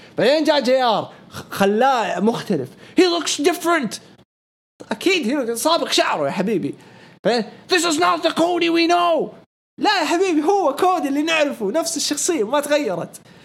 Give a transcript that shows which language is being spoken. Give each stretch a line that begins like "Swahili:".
Arabic: بعدين جاء جيار خلاه مختلف, he looks different, اكيد هو صابغ شعره يا حبيبي.
English: This is not the Cody we know.
Arabic: لا يا حبيبي هو كودي اللي نعرفه, نفس الشخصية ما تغيرت.